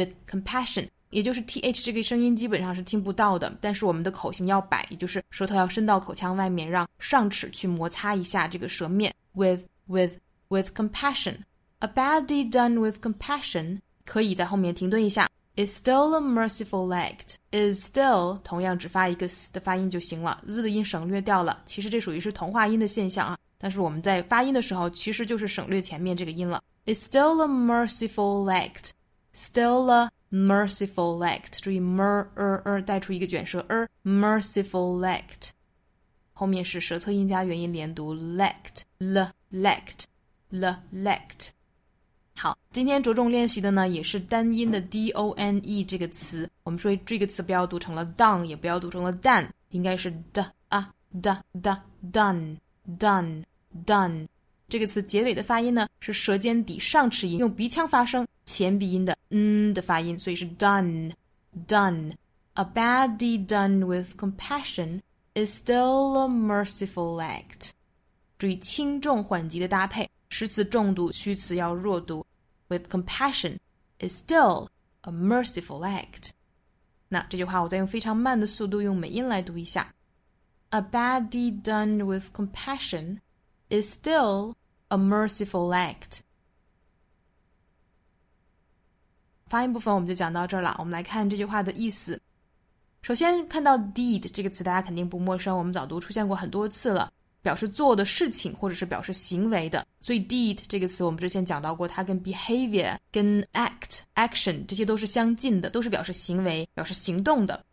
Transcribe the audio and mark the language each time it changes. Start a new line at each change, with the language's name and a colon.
Chinese: compassion， 也就是 th 这个声音基本上是听不到的，但是我们的口型要摆，也就是舌头要伸到口腔外面，让上齿去摩擦一下这个舌面， with compassion，
English: a bad deed done with compassion，
Chinese: 可以在后面停顿一下，
English: is still a merciful act，
Chinese: is still 同样只发一个 s 的发音就行了， z 的音省略掉了，其实这属于是同化音的现象啊，但是我们在发音的时候其实就是省略前面这个音了。
English: It's still a merciful act. Still a merciful act.
Chinese: 注意 mer 带出一个卷舌 er, merciful act. 后面是舌侧音加元音连读 lect, lect, lect. 好，今天着重练习的呢也是单音的 done 这个词。我们说这个词不要读成了 done, 也不要读成了 done, 应该是 d, a, d, d, done. Done 这个词结尾的发音呢是舌尖底上齿音用鼻腔发声前鼻音的嗯的发音，所以是 Done
English: A bad deed done with compassion is still a merciful act，
Chinese: 注意轻重缓急的搭配，实词重读，虚词要弱读，
English: With compassion is still a merciful act。
Chinese: 那这句话我再用非常慢的速度用美音来读一下，
English: A bad deed done with compassion is still a merciful act.
Chinese: 发音部分我们就讲到这儿了，我们来看这句话的意思。首先看到 deed 这个词大家肯定不陌生，我们早读出现过很多次了，表示做的事情或者是表示行为的。所以 deed 这个词我们之前讲到过，它跟 behavior 跟 act, action 这些都是相近的，都是表示行为表示行动的。